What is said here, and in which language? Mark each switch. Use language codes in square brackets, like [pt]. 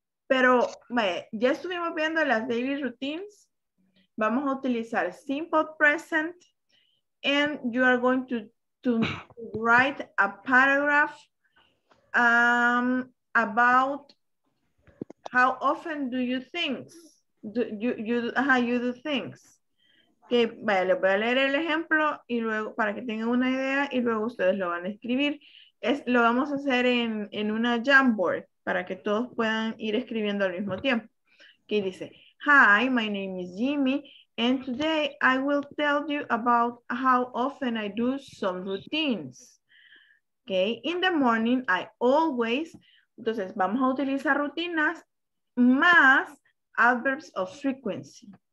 [es] Pero vaya, ya estuvimos viendo las daily routines. Vamos a utilizar simple present. [en] And you are going to write a paragraph about how often do you think you do things. [es] Okay, vaya, les voy a leer el ejemplo y luego para que tengan una idea y luego ustedes lo van a escribir. Lo vamos a hacer en una Jamboard para que todos puedan ir escribiendo al mismo tiempo. Que dice, [en] hi, my name is Jimmy, and today I will tell you about how often I do some routines. Okay, in the morning I always, [es] entonces vamos a utilizar rutinas más [en] adverbs of frequency.